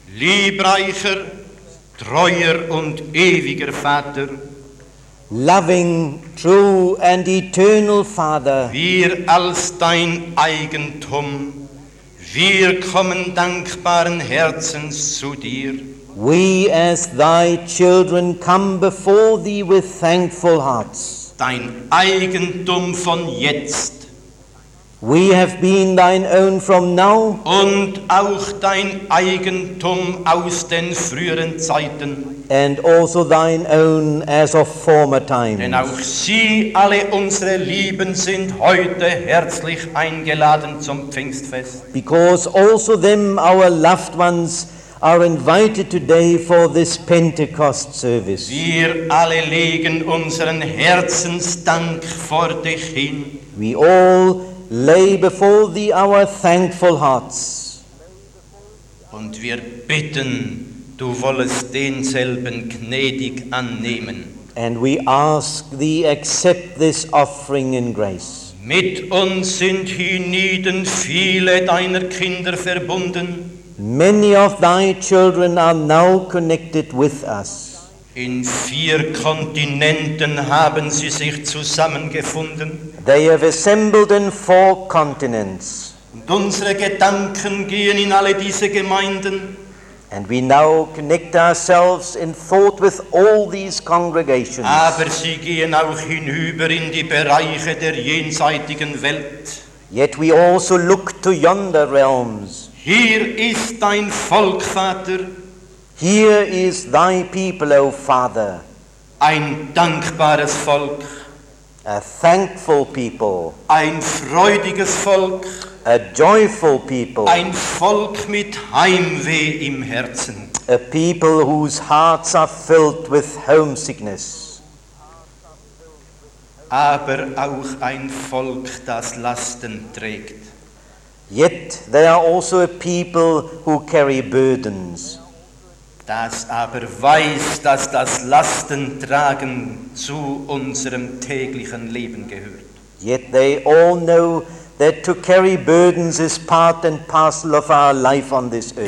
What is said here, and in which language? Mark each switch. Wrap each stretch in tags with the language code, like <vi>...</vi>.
<de>Liebreicher, treuer und ewiger Vater,</de> <en>loving, true and eternal Father,</en> <de>wir als dein Eigentum, wir kommen dankbaren Herzens zu dir.</de> <en>We as thy children come before thee with thankful hearts.</en> <de>Dein Eigentum von jetzt.</de> <en>We have been thine own from now.</en> <de>Und auch dein Eigentum aus den früheren Zeiten.</de> <en>And also thine own as of former times.</en> <de>Denn auch sie, alle unsere Lieben, sind heute herzlich eingeladen zum Pfingstfest.</de> <en>Because also them, our loved ones, are invited today for this Pentecost service.</en> <de>Wir alle legen unseren Herzensdank vor dich hin.</de> <en>We all lay before thee our thankful hearts.</en> <de>Und wir bitten, du wollest denselben gnädig annehmen.</de> <en>And we ask thee, accept this offering in grace.</en> <de>Mit uns sind hienieden viele deiner Kinder verbunden.</de> <en>Many of thy children are now connected with us.</en> <de>In vier Kontinenten haben sie sich zusammengefunden.</de> <en>They have assembled in four continents.</en> <de>Und unsere Gedanken gehen in alle diese Gemeinden.</de> <en>And we now connect ourselves in thought with all these congregations.</en> <de>Aber sie gehen auch hinüber in die Bereiche der jenseitigen Welt.</de> <en>Yet we also look to yonder realms.</en> <de>Hier ist dein Volk, Vater.</de> <en>Here is thy people, O Father.</en> <de>Ein dankbares Volk.</de> <en>A thankful people.</en> <de>Ein freudiges Volk.</de> <en>A joyful people.</en> <de>Ein Volk mit Heimweh im Herzen.</de> <en>A people whose hearts are filled with homesickness.</en> <de>Aber auch ein Volk, das Lasten trägt.</de> <en>Yet they are also a people who carry burdens.</en> <de>Das aber weiß, dass das Lastentragen zu unserem täglichen Leben gehört.</de> <en>Yet they all know that to carry burdens is part and parcel of our life on this earth.</en>